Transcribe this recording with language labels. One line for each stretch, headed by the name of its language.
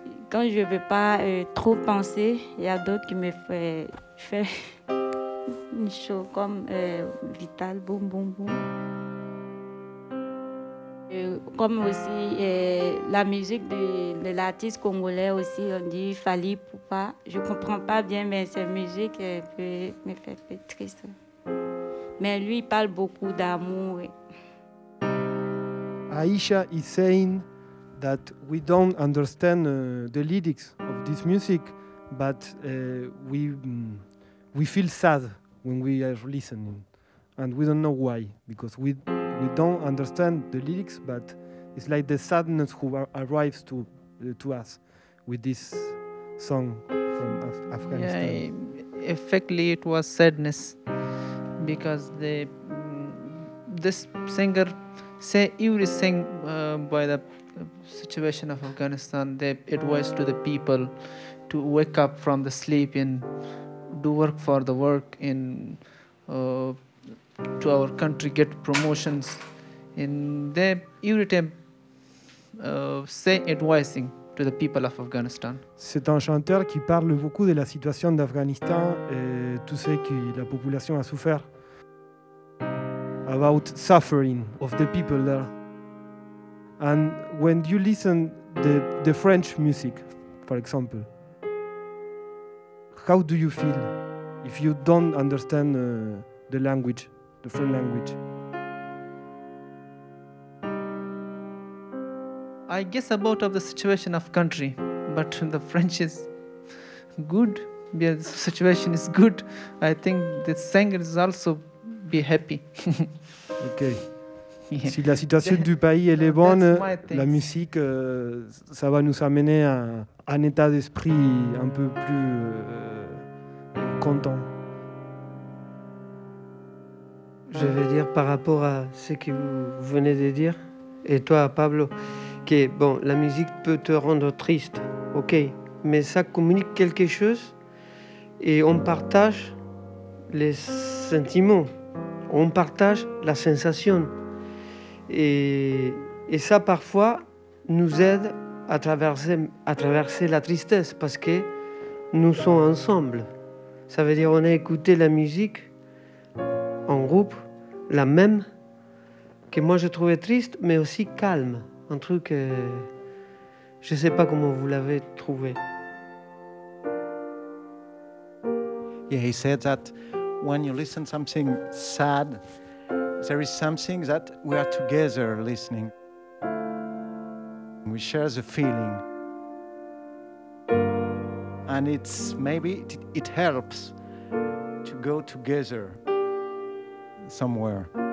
French: Quand je ne veux pas trop penser, il y a d'autres qui me font faire une chose comme Vital, boum, boum, boum. Comme aussi la musique de l'artiste congolais aussi, on dit Fally Poupa. Je ne comprends pas bien, mais cette musique peut me faire triste. Mais lui, il parle beaucoup d'amour.
English: Aïcha is saying that we don't understand the lyrics of this music, but we feel sad when we are listening. And we don't know why, because we don't understand the lyrics, but it's like the sadness who arrives to us with this song from Afghanistan. Yeah, effectively it was sadness, because this singer say everything by the situation of Afghanistan. They advise to the people to wake up from the sleep and do work for the work in. To our country, get promotions, and they every time say advising to the people of Afghanistan.
French: C'est un chanteur qui parle beaucoup de la situation d'Afghanistan et tout ce que la population a souffert.
English: About suffering of the people there. And when you listen the French music, for example, how do you feel if you don't understand the language? The French language. I guess about of the situation of country, but the French is good. Yeah, the situation is good. I think the singer is also be happy. Okay. Yeah.
French: Si la situation du pays elle est bonne, la musique ça va nous amener à un état d'esprit un peu plus content. Je veux dire par rapport à ce que vous venez de dire, et toi Pablo, que bon, la musique peut te rendre triste, ok, mais ça communique quelque chose et on partage les sentiments, on partage la sensation. Et ça parfois nous aide à traverser la tristesse parce que nous sommes ensemble. Ça veut dire qu'on a écouté la musique en groupe. La même que moi je trouvais triste, mais aussi calme. Un truc, je ne sais pas comment vous l'avez trouvé.
English: Yeah, he said that when you listen something sad, there is something that we are together listening. We share the feeling, and it's maybe it helps to go together. Somewhere.